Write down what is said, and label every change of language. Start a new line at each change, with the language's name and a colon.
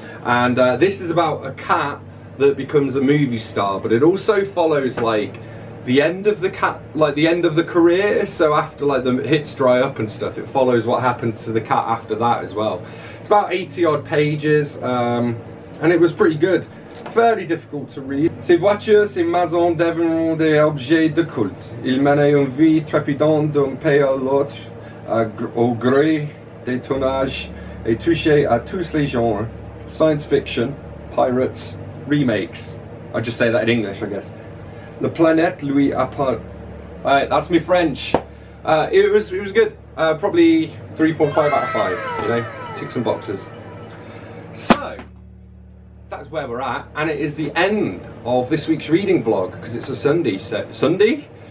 English: And this is about a cat that becomes a movie star, but it also follows like the end of the cat, like the end of the career. So after like the hits dry up and stuff, it follows what happens to the cat after that as well. It's about 80 odd pages, and it was pretty good. Fairly difficult to read.
French: Ces voitures, ces maisons deviennent des objets de culte. Ils menaient une vie trépidante d'un pays à l'autre, au gré des tournages et touchaient à tous les genres. Science fiction, pirates, remakes.
English: I just say that in English, I guess.
French: La planète lui appart.
English: Alright, that's me French. It was good. Probably 3.5 out of 5, you know, tick some boxes. So, that's where we're at, and it is the end of this week's reading vlog, because it's a Sunday. Sunday?